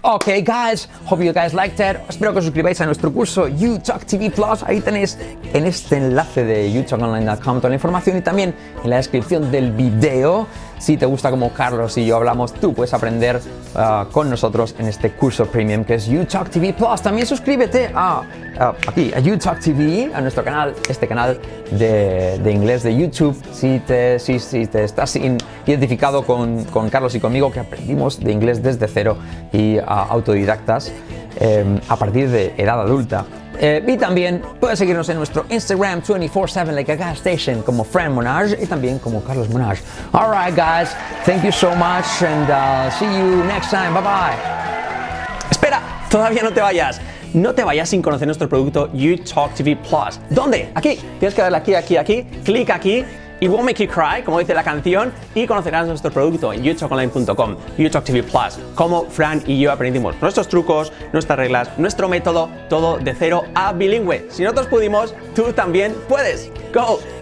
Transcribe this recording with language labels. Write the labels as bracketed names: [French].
[English] Ok, guys, hope you guys liked it. [Spanish] Espero que os suscribáis a nuestro curso UTalk TV Plus. Ahí tenéis en este enlace de utalkonline.com toda la información y también en la descripción del video. Si te gusta como Carlos y yo hablamos, tú puedes aprender con nosotros en este curso premium que es UTalk TV Plus. También suscríbete a UTalk TV, a nuestro canal, este canal de inglés de YouTube. Si te estás identificado con Carlos y conmigo, que aprendimos de inglés desde cero y autodidactas a partir de edad adulta. Y también puedes seguirnos en nuestro Instagram 24/7 [English] like a gas station [Spanish] como Fran Monage y también como Carlos Monage. [English] All right, guys, thank you so much and see you next time. Bye bye. [Spanish] Espera, todavía no te vayas. No te vayas sin conocer nuestro producto UTalk TV Plus. ¿Dónde? Aquí. Tienes que darle aquí, aquí, aquí. Clic aquí. [English] It won't make you cry, [Spanish] como dice la canción, y conocerás nuestro producto en utalkonline.com, UTalk TV Plus, como Fran y yo aprendimos nuestros trucos, nuestras reglas, nuestro método, todo de cero a bilingüe. Si nosotros pudimos, tú también puedes. ¡Go!